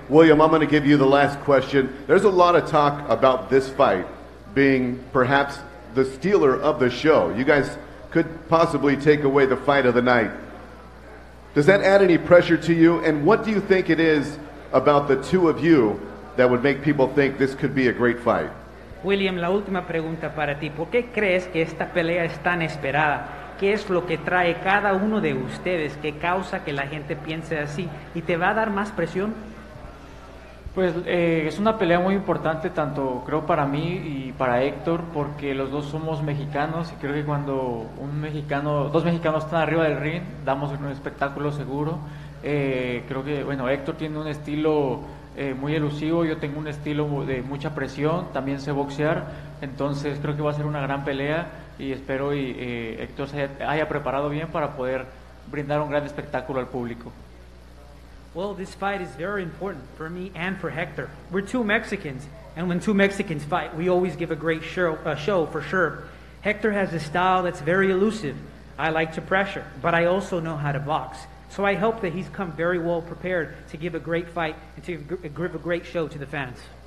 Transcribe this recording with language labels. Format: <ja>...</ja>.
<en>William, I'm going to give you the last question. There's a lot of talk about this fight being perhaps the stealer of the show. You guys could possibly take away the fight of the night. Does that add any pressure to you? And what do you think it is about the two of you that would make people think this could be a great fight?</en> <es>William, la última pregunta para ti. ¿Por qué crees que esta pelea es tan esperada? ¿Qué es lo que trae cada uno de ustedes que causa que la gente piense así? ¿Y te va a dar más presión? Pues es una pelea muy importante tanto creo para mí y para Héctor porque los dos somos mexicanos y creo que cuando dos mexicanos están arriba del ring damos un espectáculo seguro. Creo que bueno, Héctor tiene un estilo muy elusivo, yo tengo un estilo de mucha presión, también sé boxear, entonces creo que va a ser una gran pelea y espero Héctor se haya preparado bien para poder brindar un gran espectáculo al público.</es> <en>Well, this fight is very important for me and for Hector. We're two Mexicans, and when two Mexicans fight, we always give a great show for sure. Hector has a style that's very elusive. I like to pressure, but I also know how to box. So I hope that he's come very well prepared to give a great fight and to give a great show to the fans.</en>